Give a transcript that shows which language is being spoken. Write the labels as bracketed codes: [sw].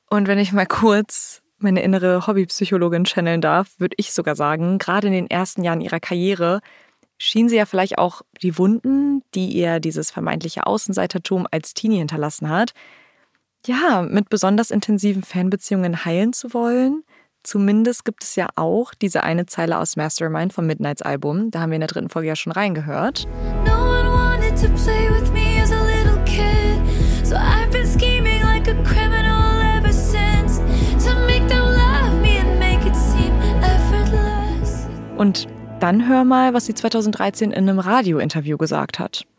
[de] Und wenn ich mal kurz meine innere Hobbypsychologin channeln darf, würde ich sogar sagen, gerade in den ersten Jahren ihrer Karriere schien sie ja vielleicht auch die Wunden, die ihr dieses vermeintliche Außenseitertum als Teenie hinterlassen hat, ja, mit besonders intensiven Fanbeziehungen heilen zu wollen. Zumindest gibt es ja auch diese eine Zeile aus Mastermind vom Midnights Album. Da haben wir in der dritten Folge ja schon reingehört. [en] No one wanted to play with me as a little kid, so I've been scheming like a criminal ever since to make them love me and make it seem effortless. [de] Und dann hör mal, was sie 2013 in einem Radiointerview gesagt hat.